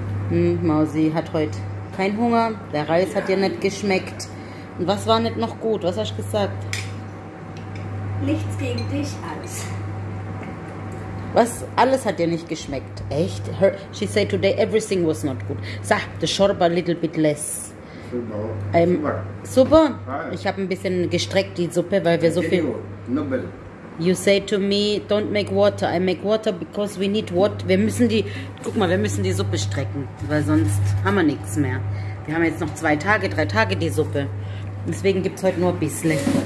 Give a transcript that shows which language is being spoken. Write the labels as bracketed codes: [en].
[de] Mausi hat heute keinen Hunger, der Reis hat dir nicht geschmeckt. Und was war nicht noch gut? Was hast du gesagt? Nichts gegen dich, alles. Was? Alles hat dir nicht geschmeckt? Echt? [en] Her, she said today everything was not good. So, the shorba a little bit less. [de] Super. Super? Ich habe ein bisschen gestreckt die Suppe, weil wir so viel... [en] You say to me, don't make water. I make water because we need water. [de] Wir müssen die, guck mal, wir müssen die Suppe strecken, weil sonst haben wir nichts mehr. Wir haben jetzt noch zwei Tage, drei Tage die Suppe. Deswegen gibt es heute nur ein bisschen.